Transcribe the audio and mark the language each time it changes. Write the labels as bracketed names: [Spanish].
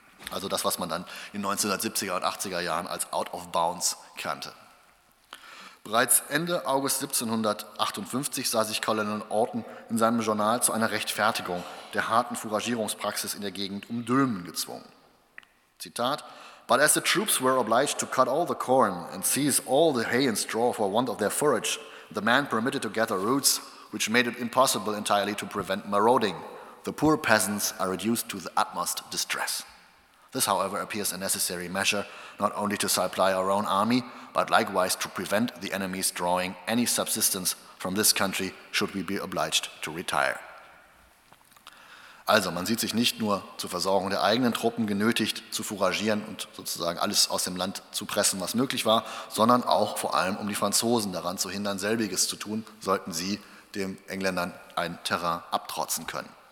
[German] Also das, was man dann in 1970er und 80er Jahren als Out of Bounds kannte. Bereits Ende August 1758 sah sich Colonel Orton in seinem Journal zu einer Rechtfertigung der harten Fouragierungspraxis in der Gegend um Dülmen gezwungen. [English] Zitat: But as the troops were obliged to cut all the corn and seize all the hay and straw for want of their forage, the men permitted to gather roots, which made it impossible entirely to prevent marauding. The poor peasants are reduced to the utmost distress. This, however, appears a necessary measure, not only to supply our own army, but likewise to prevent the enemy's drawing any subsistence from this country, should we be obliged to retire. [German] Also, man sieht sich nicht nur zur Versorgung der eigenen Truppen genötigt, zu fouragieren und sozusagen alles aus dem Land zu pressen, was möglich war, sondern auch vor allem, um die Franzosen daran zu hindern, selbiges zu tun, sollten sie den Engländern ein Terrain abtrotzen können.